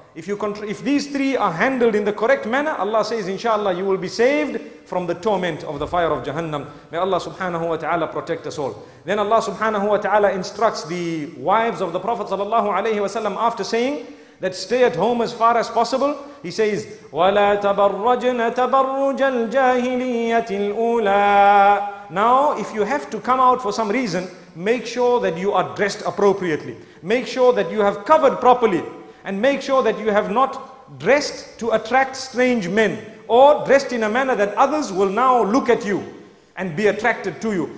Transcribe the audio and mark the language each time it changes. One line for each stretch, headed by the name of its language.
English: If these three are handled in the correct manner, Allah says, inshallah, you will be saved from the torment of the fire of Jahannam. May Allah subhanahu wa ta'ala protect us all. Then Allah subhanahu wa ta'ala instructs the wives of the Prophet sallallahu alayhi wa sallam after saying that stay at home as far as possible. He says,
Arabic: وَلَا تَبَرَّجْنَ تَبَرُّجَ الْجَاهِلِيَّةِ الْأُولَىٰ.
English: Now, if you have to come out for some reason, make sure that you are dressed appropriately. Make sure that you have covered properly. And make sure that you have not dressed to attract strange men, or dressed in a manner that others will now look at you and be attracted to you.